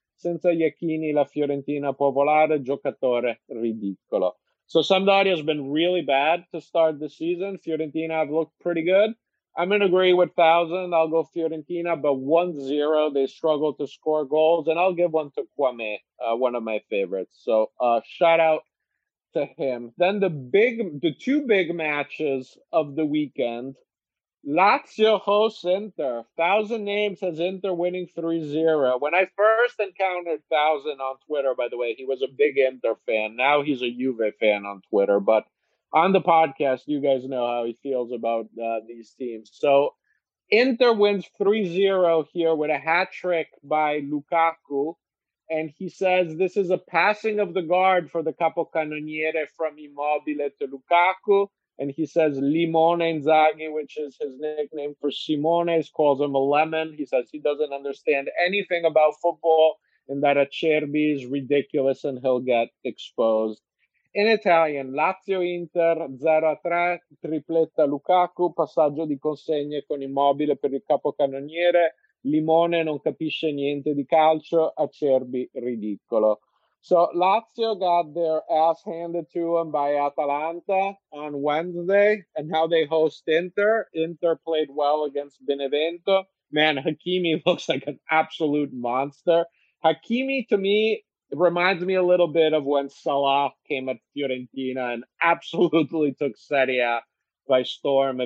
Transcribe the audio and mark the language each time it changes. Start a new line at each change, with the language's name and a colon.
Italian: Senza Iachini, la Fiorentina può volare, giocatore ridicolo.
English: So Sampdoria has been really bad to start the season. Fiorentina have looked pretty good. I'm going to agree with Thousand. I'll go Fiorentina, but 1-0, they struggle to score goals. And I'll give one to Kwame, one of my favorites. So shout out to him. Then the two big matches of the weekend. Lazio hosts Inter. Thousand Names has Inter winning 3-0. When I first encountered Thousand on Twitter, by the way, he was a big Inter fan. Now he's a Juve fan on Twitter. But on the podcast, you guys know how he feels about these teams. So Inter wins 3-0 here with a hat trick by Lukaku. And he says this is a passing of the guard for the capocannoniere from Immobile to Lukaku. And he says Limone Inzaghi, which is his nickname for Simones, calls him a lemon. He says he doesn't understand anything about football and that Acerbi is ridiculous and he'll get exposed.
Italian: In Italian, Lazio-Inter 0-3, tripletta Lukaku, passaggio di consegne con Immobile per il capocannoniere. Limone non capisce niente di calcio, Acerbi ridicolo.
English: So Lazio got their ass handed to them by Atalanta on Wednesday, and now they host Inter. Inter played well against Benevento. Man, Hakimi looks like an absolute monster. Hakimi, to me, reminds me a little bit of when Salah came at Fiorentina and absolutely took Serie A by storm.